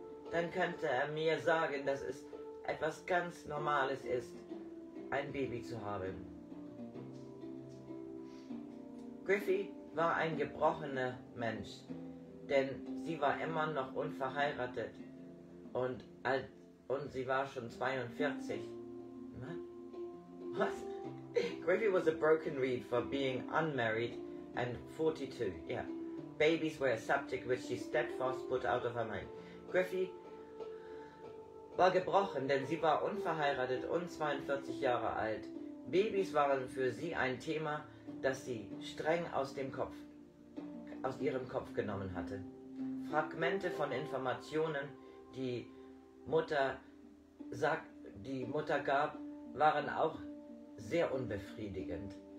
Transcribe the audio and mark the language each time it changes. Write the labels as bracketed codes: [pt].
[de] Dann könnte er mir sagen, dass es etwas ganz Normales ist, ein Baby zu haben. Griffy war ein gebrochener Mensch, denn sie war immer noch unverheiratet und sie war schon 42. Was? [en] Griffy was a broken reed for being unmarried and 42, yeah. Babies were a subject which she steadfast put out of her mind. [de] Griffy war gebrochen, denn sie war unverheiratet und 42 Jahre alt. Babys waren für sie ein Thema, das sie streng aus ihrem Kopf genommen hatte. Fragmente von Informationen, die Mutter gab, waren auch sehr unbefriedigend.